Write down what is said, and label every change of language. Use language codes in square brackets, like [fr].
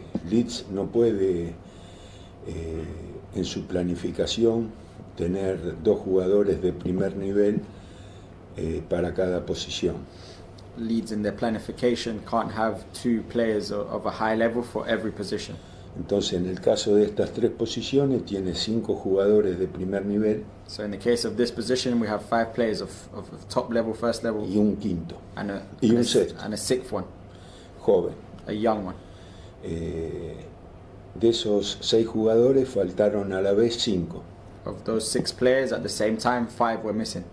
[es] Leeds no puede en su planificación tener dos jugadores de primer nivel para cada posición. [en] Leads in their planification can't have two players of a high level for every position. [es] Entonces, en el caso de estas tres posiciones, tiene cinco jugadores de primer nivel. [en] So in the case of this position, we have five players of top level, first level. [es] Y un quinto. [en] And a, [es] y [en] and [es] un [en] a, [es] sexto. [en] And a sixth one. [es] Joven. [en] A young one. [es] De esos seis jugadores, faltaron a la vez cinco. [en] Of those six players, at the same time, five were missing.